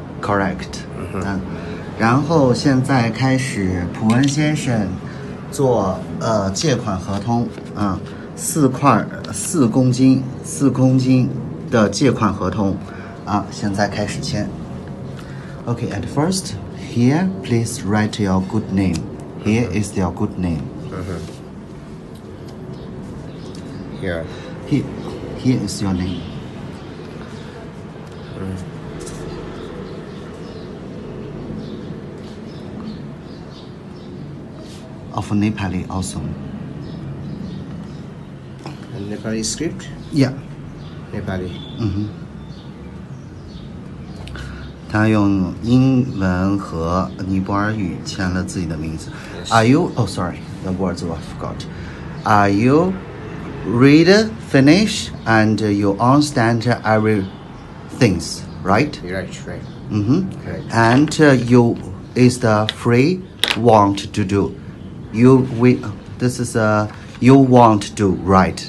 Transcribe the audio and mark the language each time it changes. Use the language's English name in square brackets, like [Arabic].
[English] Correct. [Chinese] 然后现在开始普恩先生做借款合同啊，四公斤的借款合同啊，现在开始签。 [English] Okay, at first, here, please write your good name. Here is your good name. Here is your name. Of Nepali also. A Nepali script? Yeah. Nepali. [Chinese] 他用英文和尼泊尔语签了自己的名字。 [English] Are you? Oh, sorry, the words I forgot. Are you read, finish, and you understand every things, right? Right. Right. And you is the free want to do. You want to right.